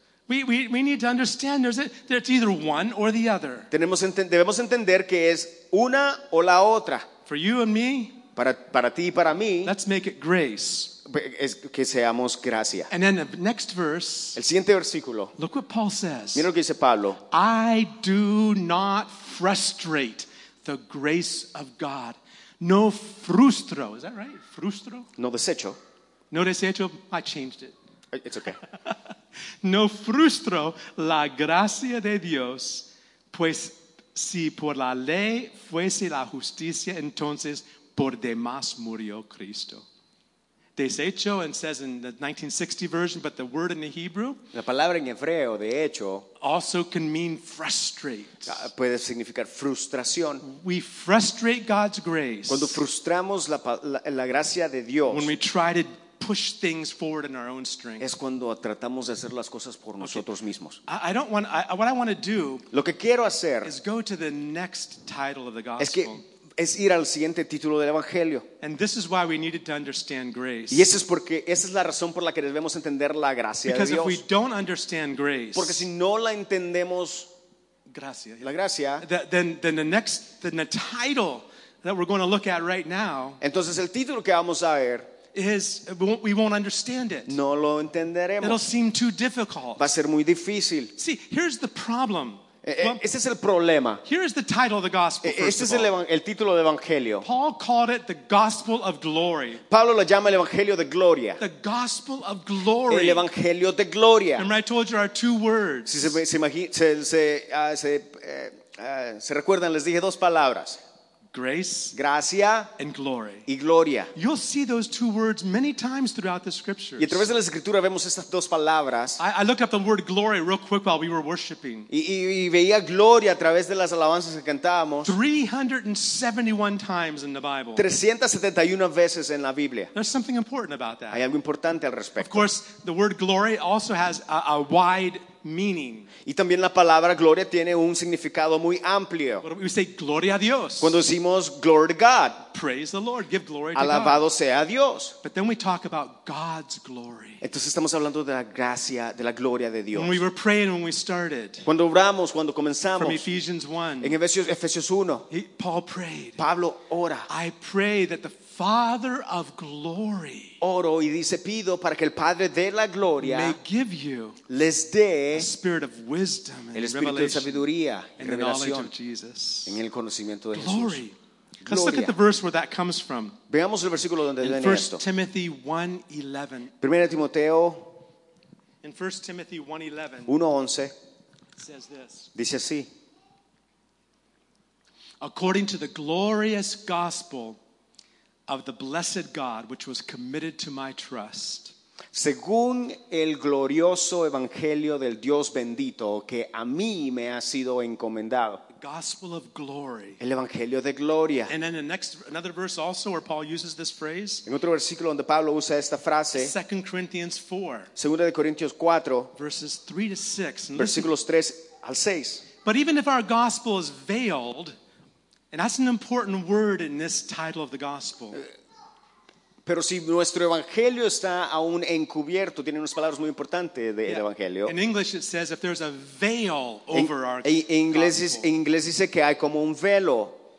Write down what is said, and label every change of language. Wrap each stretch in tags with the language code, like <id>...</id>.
<en>We need to understand there's either one or the other.</en> <es>Debemos entender que es una o la otra.</es> <en>For you and me,</en> <es>para ti y para mí,</es> <en>let's make it grace.</en> <es>Es que seamos gracia.</es> <en>And then the next verse,</en> <es>el siguiente versículo,</es> <en>look what Paul says.</en> <es>Mira lo que dice Pablo.</es> <en>I do not frustrate the grace of God.</en> <es>No frustro.</es> <en>Is that right?</en> <es>Frustro? No desecho. No desecho.</es> <en>I changed it. It's okay.</en> <es>No frustro la gracia de Dios, pues si por la ley fuese la justicia, entonces por demás murió Cristo.</es> <en>Desecho, and says in the 1960 version, but the word in the Hebrew,</en> <es>la palabra en hebreo, de hecho,</es> <en>also can mean frustrate.</en> <es>Puede significar frustración.</es> <en>We frustrate God's grace.</en> <es>Cuando frustramos la gracia de Dios.</es> <en>When we try to push things forward in our own strength.</en> <es>Es cuando tratamos de hacer las cosas por nosotros mismos.</es> <en>I don't want. What I want to do.</en> <es>Lo que quiero hacer</es> <en>is go to the next title of the gospel.</en> <es>Es ir al siguiente título del evangelio.</es> <en>And this is why we needed to understand grace.</en> <es>Y esa es la razón por la que debemos entender la gracia</es> <en>because</en> <es>de Dios.</es> <en>Because if we don't understand grace,</en> <es>porque si no la entendemos, gracia, la gracia,</es> <en>then the title that we're going to look at right now.</en> <es>Entonces el título que vamos a ver.</es> <en>Is we won't understand it.</en> <es>No lo entenderemos.</es> <en>It'll seem too difficult.</en> <es>Va a ser muy difícil.</es> <en>See, here's the problem.</en> <es>Este es el problema.</es> <en>Here is the title of the gospel.</en> <es>Este es el título del evangelio.</es> <en>Paul called it the gospel of glory.</en> <es>Pablo lo llama el evangelio de gloria.</es> <en>The gospel of glory.</en> <es>El evangelio de gloria.</es> <en>Remember, I told you our two words.</en> <es>Si se recuerdan, les dije dos palabras.</es> <en>Grace,</en> <es>gracia,</es> <en>and glory.</en> <es>Y gloria.</es> <en>You'll see those two words many times throughout the scriptures.</en> <es>Y a través de la escritura vemos estas dos palabras.</es> <en>I looked up the word glory real quick while we were worshiping.</en> <es>Y veía gloria a través de las alabanzas que cantábamos.</es> <en>371 times in the Bible.</en> <es>371 veces en la Biblia.</es> <en>There's something important about that.</en> <es>Hay algo importante al respecto.</es> <en>Of course, the word glory also has a wide meaning.</en> <es>Y también la palabra gloria tiene un significado muy amplio.</es> <en>We say</en> <es>gloria a Dios. Cuando decimos</es> <en>glory to God. Praise the Lord. Give glory to</en> <es>alabado</es> <en>God.</en> <es>Sea Dios.</es> <en>But then we talk about God's glory.</en> <es>Entonces estamos hablando de la gracia, de la gloria de Dios.</es> <en>When we were praying when we started.</en> <es>Cuando oramos, cuando comenzamos.</es> <en>From Ephesians 1.</en> <es>En Efesios 1.</es> <en>Paul prayed.</en> <es>Pablo ora.</es> <en>I pray that the Father of glory.</en> <es>Oro y dice pido para que el Padre de la gloria</es> <en>may give you</en> <es>les dé</es> <en>spirit of wisdom and</en> <es>el espíritu de sabiduría y revelación en el conocimiento de</es> <en>glory.</en> <es>Jesús.</es> <en>Gloria. Let's look at the verse where that comes from.</en> <es>Veamos el versículo donde viene esto. 1</es> <en>Timothy 1:11.</en> <es>Primera Timoteo.</es> <en>In 1 Timothy 1:11. Says this.</en> <es>Dice así.</es> <en>According to the glorious gospel of the blessed God, which was committed to my trust.</en> <es>Según el glorioso evangelio del Dios bendito que a mí me ha sido encomendado.</es> <en>The gospel of glory.</en> <es>El evangelio de gloria.</es> <en>And then another verse also where Paul uses this phrase.</en> <es>En otro versículo donde Pablo usa esta frase.</es> <en>2 Corinthians 4.</en> <es>Segunda de Corintios 4.</es> <en>Verses 3 to 6.</en> <es>Versículos 3 al 6.</es> <en>But even if our gospel is veiled. And that's an important word in this title of the gospel.</en> <es>Pero si nuestro evangelio está aún encubierto, tiene unas palabras muy importantes del</es> <en>yeah.</en> <es>evangelio.</es> <en>In English it says if there's a veil over our</en> <es>en inglés dice que hay como un velo.</es>